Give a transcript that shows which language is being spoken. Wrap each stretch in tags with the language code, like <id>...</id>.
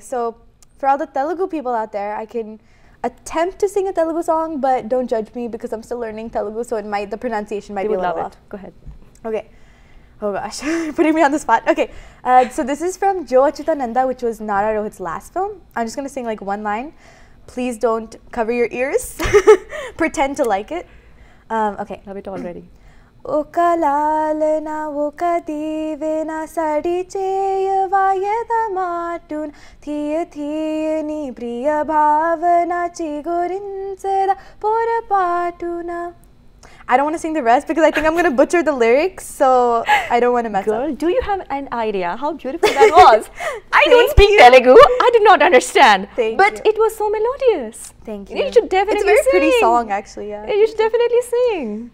<en>So, for all the Telugu people out there, I can attempt to sing a Telugu song, but don't judge me because I'm still learning Telugu, so the pronunciation might be a little off. You Go ahead. Okay. Oh gosh, putting me on the spot. Okay. So this is from Jo Achyuta Nanda, which was Nara Rohit's last film. I'm just going to sing like one line. Please don't cover your ears. Pretend to like it. Okay. Love it already.</en> <te>ఒక లాలన ఒక దీవెన సడి చేయవాయదమాటు తీయ తీయని ప్రియ భావన చిగురించద పొరపాటున.</te> <en>I don't want to sing the rest because I think I'm going to butcher the lyrics, so I don't want to mess Girl, up. Girl, do you have an idea how beautiful that was? I don't speak Telugu. I did not understand. But it was so melodious. Thank you. You should definitely sing. It's a very sing. Pretty song, actually. Yeah. You should definitely sing.</en>